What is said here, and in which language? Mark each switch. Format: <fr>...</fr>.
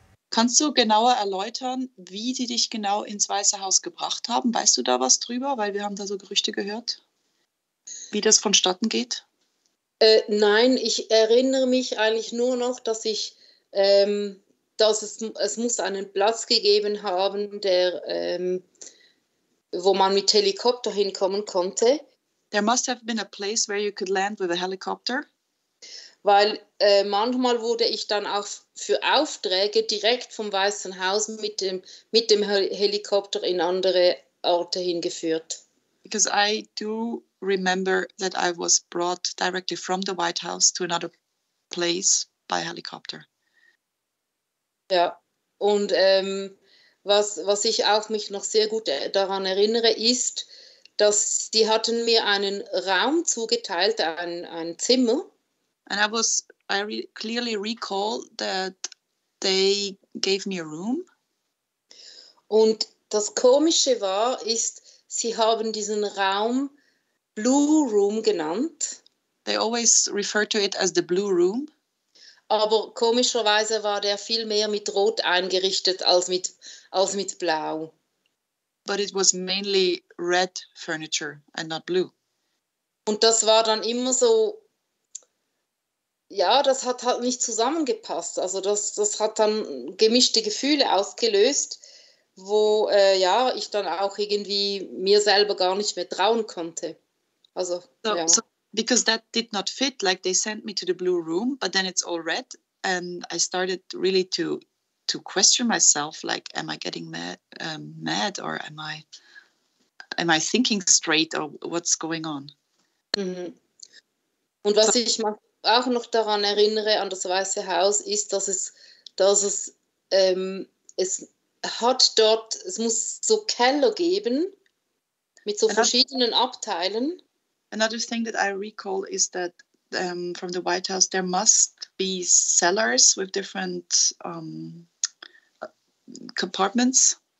<de>Kannst du genauer erläutern, wie die dich genau ins Weiße Haus gebracht haben? Weißt du da was drüber? Weil wir haben da so Gerüchte gehört, wie das vonstatten geht. Nein, ich erinnere mich eigentlich nur noch, dass ich, dass es muss einen Platz gegeben haben, wo man mit Helikopter hinkommen konnte.</de> <en>There must have been a place where you could land with a helicopter.</en> <de>Weil manchmal wurde ich dann auch für Aufträge direkt vom Weißen Haus mit dem Helikopter in andere Orte hingeführt.</de> <en>Because I do remember that I was brought directly from the White House to another place by helicopter.</en> <de>Ja, und was ich auch mich noch sehr gut daran erinnere, ist, dass die hatten mir einen Raum zugeteilt, ein Zimmer.</de> <en>And I re clearly recall that they gave me a room.</en> <de>Und das Komische war, ist, sie haben diesen Raum Blue Room genannt.</de> <en>They always refer to it as the blue room.</en> <de>Aber komischerweise war der viel mehr mit Rot eingerichtet als mit Blau.</de> <en>But it was mainly red furniture and not blue.</en> <de>Und das war dann immer so, ja, das hat halt nicht zusammengepasst. Also das hat dann gemischte Gefühle ausgelöst, wo ja, ich dann auch irgendwie mir selber gar nicht mehr trauen konnte. Also</de> <en>So,</en> <de>ja.</de> <en>because that did not fit, like they sent me to the blue room, but then it's all red, and I started really to question myself, like, am I getting mad, or am I thinking straight, or what's going on?</en> <de>Und was ich auch noch daran erinnere an das Weiße Haus, ist, es muss so Keller geben mit so verschiedenen Abteilen.</de> <en>Another thing that I recall is that from the White House, there must be cellars with different compartments.</en>